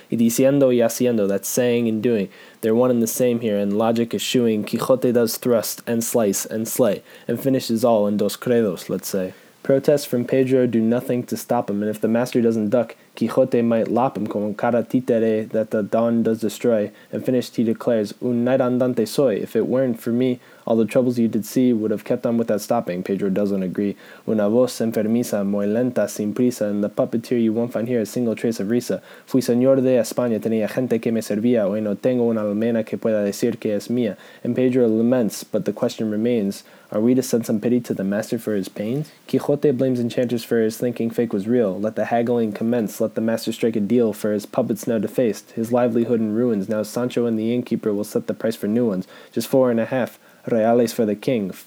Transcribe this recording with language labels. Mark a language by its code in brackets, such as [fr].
[es] Y diciendo y haciendo, [en] that's saying and doing. They're one and the same here, and logic eschewing, Quixote does thrust and slice and slay, and finishes all in [es] dos credos, [en] let's say. Protests from Pedro do nothing to stop him, and if the master doesn't duck, Quixote might lop him [es] con cara títere [en] that the dawn does destroy. And finished, he declares, un knight [es] andante soy. [en] If it weren't for me, all the troubles you did see would have kept on without stopping. Pedro doesn't agree. [es] Una voz enfermiza, muy lenta, sin prisa. [en] And the puppeteer, you won't find here a single trace of risa. [es] Fui señor de España, tenía gente que me servía. Hoy no tengo una almena que pueda decir que es mía. [en] And Pedro laments, but the question remains, are we to send some pity to the master for his pains? Quixote blames enchanters for his thinking fake was real. Let the haggling commence. Let the master strike a deal for his puppets now defaced. His livelihood in ruins. Now Sancho and the innkeeper will set the price for new ones. Just 4.5 reales for the king.